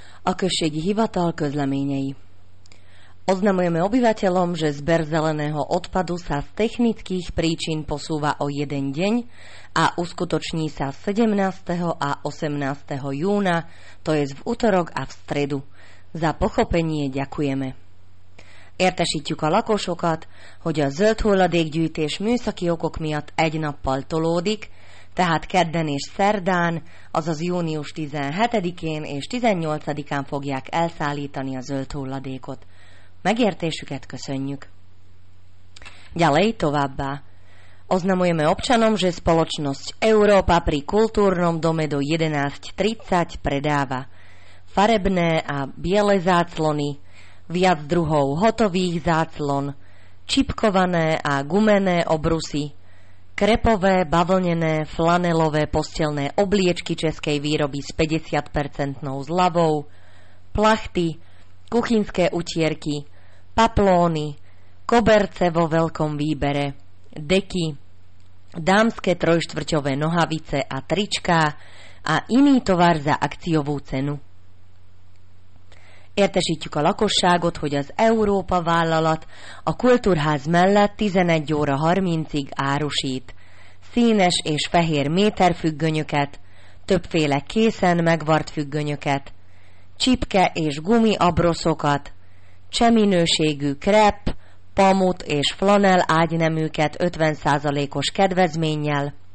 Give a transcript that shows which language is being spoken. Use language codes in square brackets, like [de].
[hu] Okršiek hyvatal Közleményei. [sk] Oznamujeme obyvateľom, že zber zeleného odpadu sa z technických príčin posúva o jeden deň a uskutoční sa 17. a 18. júna, to je v utorok a v stredu. Za pochopenie ďakujeme. [hu] Értesítjük a lakosokat, hogy a zöld hulladékgyűjtés műszaki okok miatt egy nappal tolódik, tehát kedden és szerdán, azaz június 17-én és 18-án fogják elszállítani a zöld hulladékot. Megértésüket köszönjük. [sk] Ďalej [hu] továbbá. [sk] Oznamujeme občanom, že spoločnosť Európa pri kultúrnom dome do 11.30 predáva farebné a biele záclony, viac druhov hotových záclon, čipkované a gumené obrusy, krepové, bavlnené, flanelové postelné obliečky českej výroby s 50% zľavou, plachty, kuchynské utierky, paplóny, koberce vo veľkom výbere, deky, dámske trojštvrťové nohavice a trička a iný tovar za akciovú cenu. [hu] Értesítjük a lakosságot, hogy az Európa vállalat a kultúrház mellett 11 óra 30-ig árusít színes és fehér méterfüggönyöket, többféle készen megvart függönyöket, csipke és gumi abroszokat, cseh minőségű krep, pamut és flanel ágyneműket 50%-os kedvezménnyel,